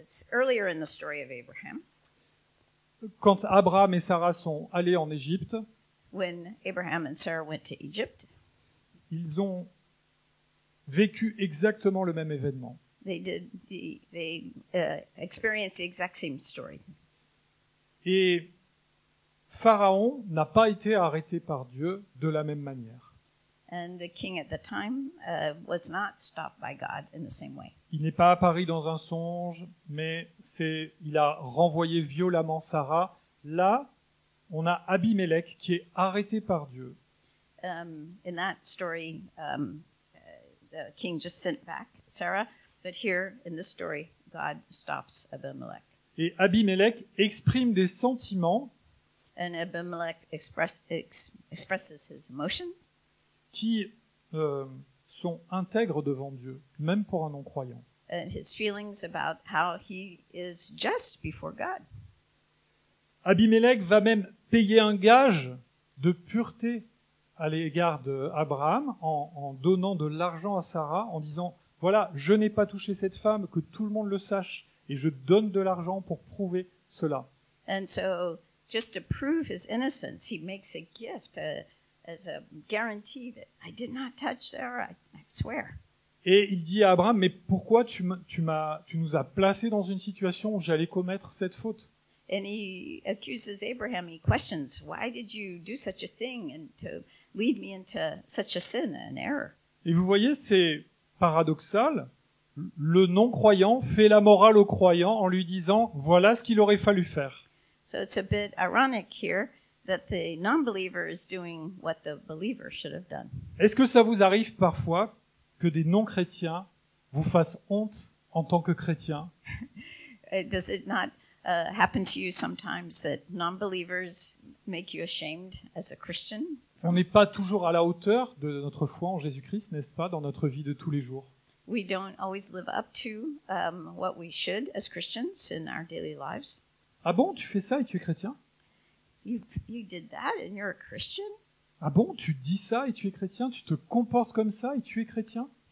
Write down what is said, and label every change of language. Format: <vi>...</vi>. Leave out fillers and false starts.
<en>earlier in the story of Abraham,</en> <fr>quand Abraham et Sarah sont allés en Égypte,</fr> <en>when Abraham and Sarah went to Egypt,</en> <fr>ils ont vécu exactement le même événement.</fr> <en>They experienced the exact same story.</en> <fr>Et Pharaon n'a pas été arrêté par Dieu de la même manière.</fr> <en>And the king at the time was not stopped by God in the same way.</en> <fr>Il n'est pas apparu dans un songe, mais il a renvoyé violemment Sarah. Là, on a Abimélec qui est arrêté par Dieu.</fr> <en>In that story, the king just sent back Sarah, but here in this story, God stops Abimelech.</en> <fr>Et Abimélec exprime des sentiments.</fr> <en>And Abimelech expresses his emotions.</en> <fr>Qui sont intègres devant Dieu, même pour un non-croyant.</fr> <en>And his feelings about how he is just before God.</en> <fr>Abimélec va même payer un gage de pureté à l'égard d'Abraham en donnant de l'argent à Sarah, en disant, voilà, je n'ai pas touché cette femme, que tout le monde le sache, et je donne de l'argent pour prouver cela.</fr> <en>And so, just to prove his innocence, he makes a gift, as a guarantee that I did not touch Sarah, I swear.</en> <fr>Et il dit à Abraham, mais pourquoi tu nous as placé dans une situation où j'allais commettre cette faute?</fr> <en>And he accuses Abraham, he questions, why did you do such a thing and to lead me into such a sin, an error?</en> <fr>Et vous voyez, c'est paradoxal. Le non-croyant fait la morale au croyant en lui disant, voilà ce qu'il aurait fallu faire.</fr> <en>So it's a bit ironic here that the non-believer is doing what the believer should have done.</en> <fr>Est-ce que ça vous arrive parfois que des non-chrétiens vous fassent honte en tant que chrétien?</fr> <en>Does it not happen to you sometimes that non-believers make you ashamed as a Christian?</en> <fr>On n'est pas toujours à la hauteur de notre foi en Jésus-Christ, n'est-ce pas, dans notre vie de tous les jours?</fr> <en>We don't always live up to what we should as Christians in our daily lives.</en> <fr>Ah bon, tu fais ça et tu es chrétien?</fr> <en>You did that and you're a Christian?</en> <fr>Ah bon, tu dis ça et tu es chrétien? Tu te comportes comme ça et tu es chrétien?</fr>